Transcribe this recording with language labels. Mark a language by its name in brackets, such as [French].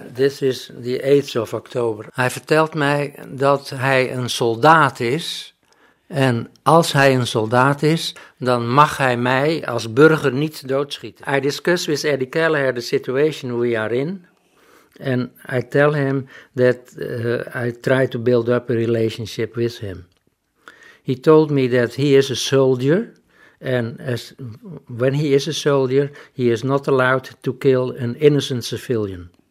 [English] This is the 8th of October. [Dutch] Hij vertelt mij dat hij een soldaat is. En als hij een soldaat is, dan mag hij mij als burger niet doodschieten. [English] I discuss with Eddie Kelleher the situation we are in. And I tell him that I try to build up a relationship with him. He told me that he is a soldier. And as when he is a soldier, he is not allowed to kill an innocent civilian.